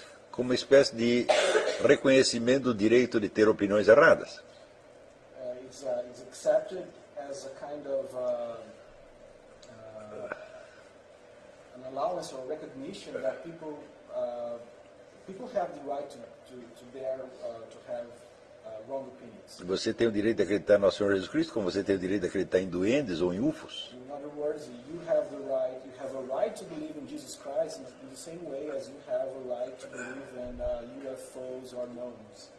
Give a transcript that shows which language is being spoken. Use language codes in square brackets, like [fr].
[pt] como uma espécie de reconhecimento do direito de ter opiniões erradas. [en] It's accepted as a kind of an allowance or recognition that people have the right to have wrong opinions. [pt] Você tem o direito de acreditar no Senhor Jesus Cristo, como você tem o direito de acreditar em duendes ou em UFOs. [en] In other words, you have a right to believe in Jesus Christ in the same way as you have a right to believe in UFOs or gnomes.